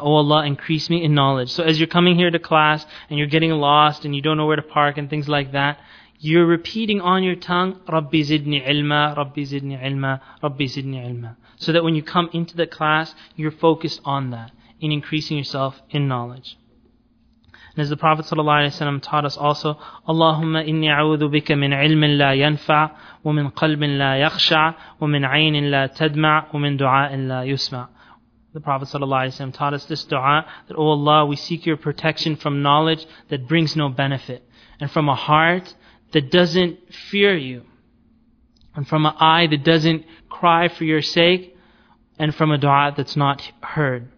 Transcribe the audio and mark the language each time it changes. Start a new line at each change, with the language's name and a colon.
English: Oh Allah, increase me in knowledge. So as you're coming here to class and you're getting lost and you don't know where to park and things like that, you're repeating on your tongue, Rabbi zidni ilma, Rabbi zidni ilma, Rabbi zidni ilma. So that when you come into the class, you're focused on that, in increasing yourself in knowledge. And as the Prophet ﷺ taught us also,
Arabic: اللهم إني أعوذ بك من علم لا ينفع ومن قلب لا يخشع ومن عين لا تدمع ومن دعاء لا يسمع.
English: The Prophet ﷺ taught us this dua, that O Allah, we seek your protection from knowledge that brings no benefit, and from a heart that doesn't fear you, and from an eye that doesn't cry for your sake, and from a dua that's not heard.